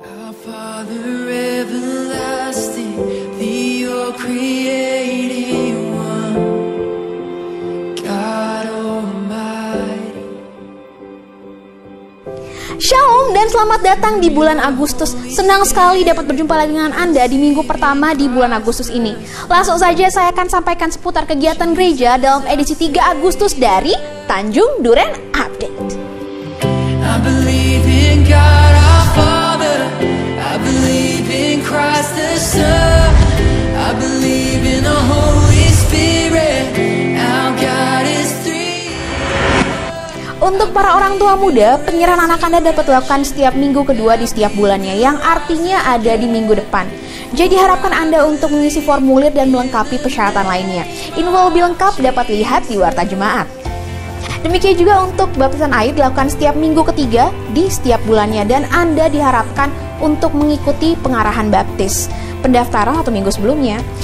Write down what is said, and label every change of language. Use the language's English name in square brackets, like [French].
[English] Father everlasting, the all creating one, God Almighty. [Indonesian] Shalom dan selamat datang di bulan Agustus. Senang sekali dapat berjumpa lagi dengan Anda di minggu pertama di bulan Agustus ini. Langsung saja saya akan sampaikan seputar kegiatan gereja dalam edisi 3 Agustus dari Tanjung Duren Update. [English] I believe in God our Father. I believe in Christ the Son. I believe in the Holy Spirit. Our God is three. [Indonesian] Untuk para orang tua muda, penyerahan anak Anda dapat dilakukan setiap minggu kedua di setiap bulannya, yang artinya ada di minggu depan. Jadi harapkan Anda untuk mengisi formulir dan melengkapi persyaratan lainnya. Info lebih lengkap dapat lihat di Warta Jemaat. Demikian juga untuk baptisan air dilakukan setiap minggu ketiga di setiap bulannya, dan Anda diharapkan untuk mengikuti pengarahan baptis, pendaftaran atau minggu sebelumnya.